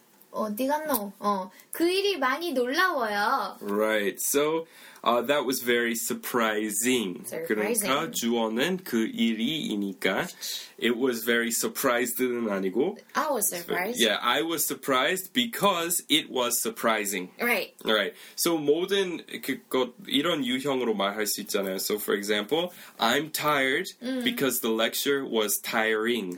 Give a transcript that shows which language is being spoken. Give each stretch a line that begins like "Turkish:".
Korean: 어디 갔노? 그 일이 많이 놀라워요.
English: Right. So That was very surprising. Surprising.
Korean: 그러니까 주어는 그 일이니까.
English: It was very surprised는 아니고. I was surprised. Yeah, I was surprised because it was surprising. Right. Right.
Korean: So 모든 그것 이런 유형으로 말할 수 있잖아요.
English: So for example, I'm tired because the lecture was tiring.